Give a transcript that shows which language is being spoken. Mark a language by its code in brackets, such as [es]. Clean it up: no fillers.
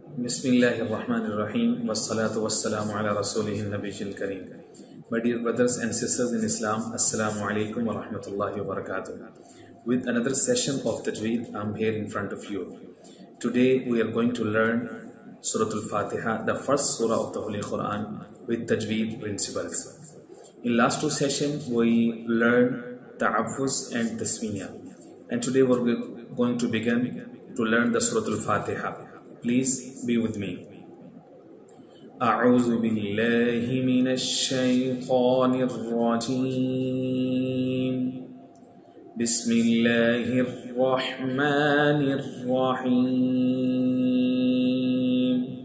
[ar] بسم الله الرحمن الرحيم والصلاة والسلام على رسوله النبي الكريم. [en] My dear brothers and sisters in Islam, Assalamu alaikum wa rahmatullahi wa barakatuh. With another session of Tajweed, I'm here in front of you. Today we are going to learn Surah Al-Fatiha, the first surah of the Holy Quran with Tajweed principles. In last two sessions, we learned Ta'affuz and Tasmiyah. And today we're going to begin to learn the Surah Al-Fatiha. Please be with me. [ar] أعوذ بالله من الشيطان الرجيم. بسم الله الرحمن الرحيم.